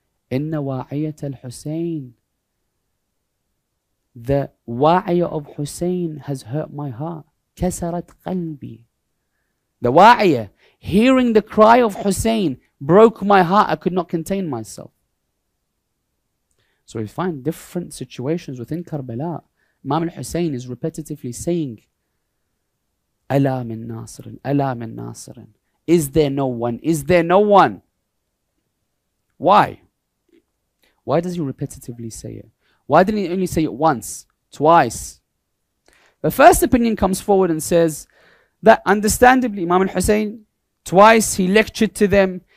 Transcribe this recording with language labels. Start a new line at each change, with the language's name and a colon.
Arabic: Inna wa'iyat al-Husayn.
English: The wa'iyah of Hussein has hurt my heart.
Arabic: كَسَرَتْ قَلْبِي.
English: The wa'iyah, hearing the cry of Hussein, broke my heart. I could not contain myself. So we find different situations within Karbala. Imam al-Hussein is repetitively saying,
Arabic: أَلَا مِن نَاصِرٍ أَلَا مِن نَاصِرٍ.
English: Is there no one? Is there no one? Why? Why does he repetitively say it? Why didn't he only say it once, twice? The first opinion comes forward and says that understandably, Imam Hussain, twice he lectured to them.